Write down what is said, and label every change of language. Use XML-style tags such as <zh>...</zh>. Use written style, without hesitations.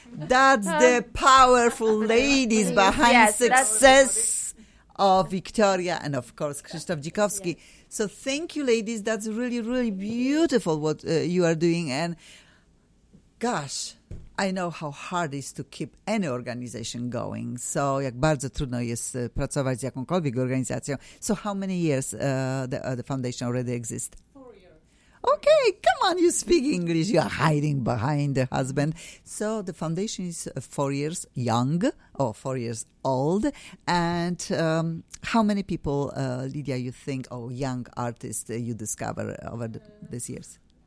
<en>That's the powerful ladies behind success of Victoria and, of course, Krzysztof Dzikowski. Yeah. So thank you, ladies. That's really, really beautiful what you are doing. And gosh, I know how hard it is to keep any organization going.</en> <pl>So jak bardzo trudno jest pracować z jakąkolwiek organizacją.</pl> <en>So how many years the foundation already exists? 4 years. Okay, come on, you speak English. You are hiding behind the husband. So the foundation is 4 years young or 4 years old. And how many people, Lydia, you think, or young artists you discover over these years?</en>